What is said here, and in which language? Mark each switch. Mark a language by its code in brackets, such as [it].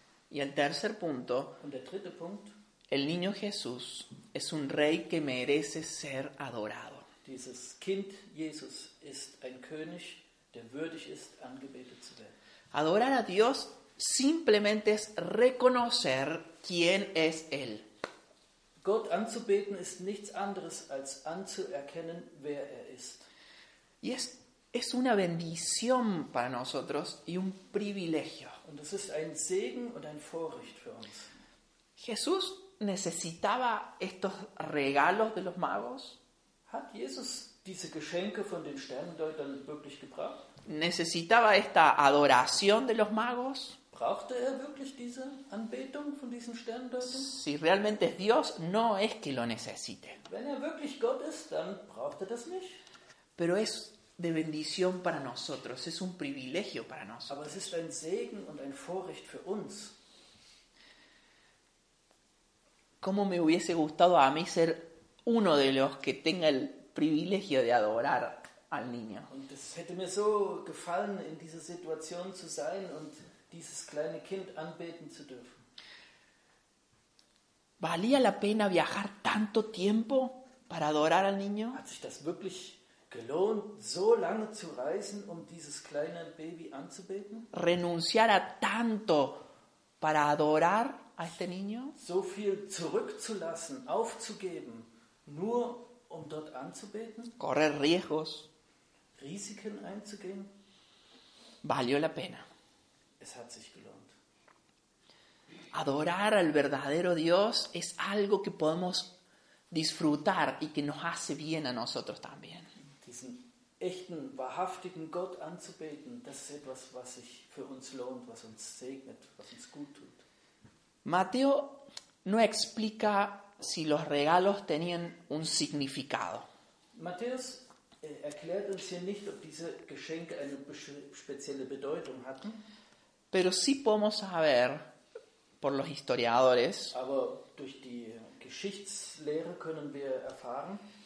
[es] Y el tercer punto. [de] Und der dritte Punkt. [es] El niño Jesús es un rey que merece ser adorado. [de] Dieses Kind Jesus ist ein König, der würdig ist, angebetet zu werden. [es] Adorar a Dios simplemente es reconocer quién es Él. [de] Gott anzubeten ist nichts anderes als anzuerkennen, wer er ist. [es] Y es una bendición para nosotros y un privilegio. [de] Und es ist ein Segen und ein Vorrecht für uns. [es] Jesús necesitaba estos regalos de los magos. [de] Hat Jesus diese Geschenke von den Sterndeutern wirklich gebraucht? [es] Necesitaba esta adoración de los magos? [de] Brauchte er wirklich diese Anbetung von diesen Sterndeutern? [es] Si realmente es Dios, no es que lo necesite. [de] Wenn er wirklich Gott ist, dann braucht er das nicht. [es] Pero es de bendición para nosotros, es un privilegio para nosotros. [de] Aber es ist ein Segen und ein Vorrecht für uns. [es] ¿Cómo me hubiese gustado a mí ser uno de los que tenga el privilegio de adorar al niño. [de] Und es hätte mir so gefallen, in dieser Situation zu sein und dieses kleine Kind anbeten zu dürfen. [es] ¿Valía la pena viajar tanto tiempo para adorar al niño? [de] Hat sich das wirklich gelohnt, so lange zu reisen, um dieses kleine Baby anzubeten? [es] ¿Renunciar a tanto para adorar a este niño? [de] So viel zurückzulassen, aufzugeben, nur um dort anzubeten? [es] Correr riesgos. [de] Risiken einzugehen? [es] Valió la pena. [de] Es hat sich gelohnt. [es] Adorar al verdadero Dios es algo que podemos disfrutar y que nos hace bien a nosotros también. [de] Diesen echten, wahrhaftigen Gott anzubeten, das ist etwas, was sich für uns lohnt, was uns segnet, was uns gut tut. [es] Mateo no explica si los regalos tenían un significado. [de] Matthäus erklärt uns hier nicht, ob diese Geschenke eine spezielle Bedeutung hatten. [es] Pero sí podemos saber por los historiadores. [de] Aber durch die Geschichtslehre können wir erfahren,